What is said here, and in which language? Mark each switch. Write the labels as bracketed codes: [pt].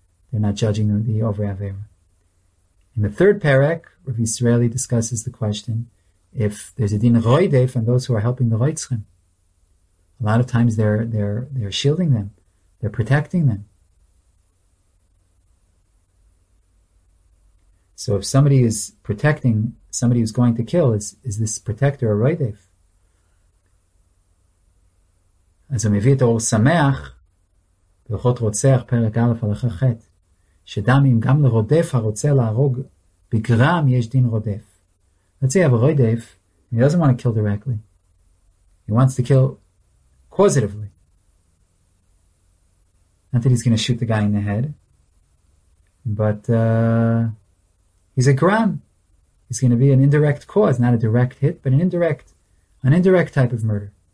[en] They're not judging the over avera. In the third perek, Rav Yisraeli discusses the question if there's a din roidef on those who are helping the roitzchim. A lot of times they're shielding them, they're protecting them. So if somebody is protecting somebody who's going to kill, is this protector a roidef? [he] אז הוא מביא את האור שמח ולכות רוצח פרק א' הלכה ח' שדם אם גם לרודף הרוצה להרוג בגרם יש דין רודף. [en] Let's say you have a רודף, he doesn't want to kill directly. He wants to kill causatively. Not that he's going to shoot the guy in the head, but he's a gram. He's going to be an indirect cause, not a direct hit, but an indirect type of murder.